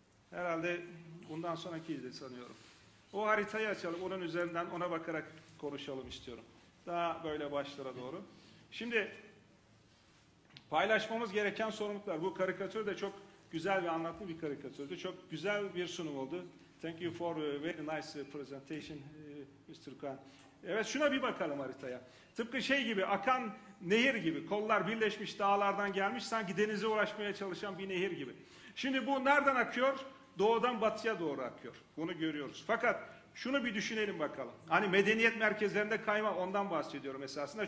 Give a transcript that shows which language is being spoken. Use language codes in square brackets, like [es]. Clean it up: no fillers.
[tr] Herhalde bundan sonrakiydi sanıyorum. O haritayı açalım, onun üzerinden ona bakarak konuşalım istiyorum. Daha böyle başlara doğru. Şimdi paylaşmamız gereken sorumluluklar. Bu karikatür de çok güzel ve anlatılı bir karikatürdü. Çok güzel bir sunum oldu. [en] Thank you for a very nice presentation, Mr. [tr] Khan. Evet, şuna bir bakalım haritaya. Tıpkı şey gibi, akan nehir gibi, kollar birleşmiş dağlardan gelmiş, sanki denize ulaşmaya çalışan bir nehir gibi. Şimdi bu nereden akıyor? Doğudan batıya doğru akıyor. Bunu görüyoruz. Fakat şunu bir düşünelim bakalım. Hani medeniyet merkezlerinde kayma, ondan bahsediyorum esasında.